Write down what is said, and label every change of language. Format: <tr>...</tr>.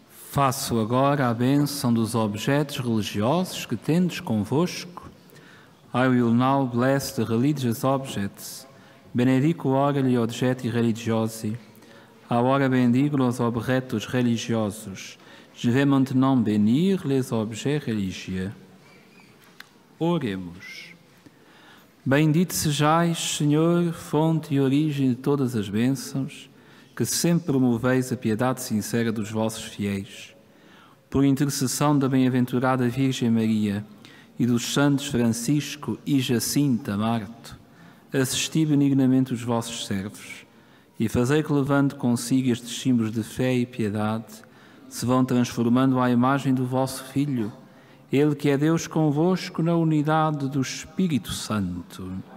<pt>Faço agora a bênção dos objetos religiosos que tendes convosco.</pt> <en>I will now bless the religious objects.</en> <it>Benedico ora gli oggetti religiosi.</it> <pt>Agora bendigo os objetos religiosos.</pt> <fr>Je vais maintenant bénir les objets religieux.</fr> <pt>Oremos. Bendito sejais, Senhor, fonte e origem de todas as bênçãos, que sempre promoveis a piedade sincera dos vossos fiéis. Por intercessão da bem-aventurada Virgem Maria e dos santos Francisco e Jacinta Marto, assisti benignamente os vossos servos e fazei que levando consigo estes símbolos de fé e piedade se vão transformando à imagem do vosso Filho, Ele que é Deus convosco na unidade do Espírito Santo.</pt>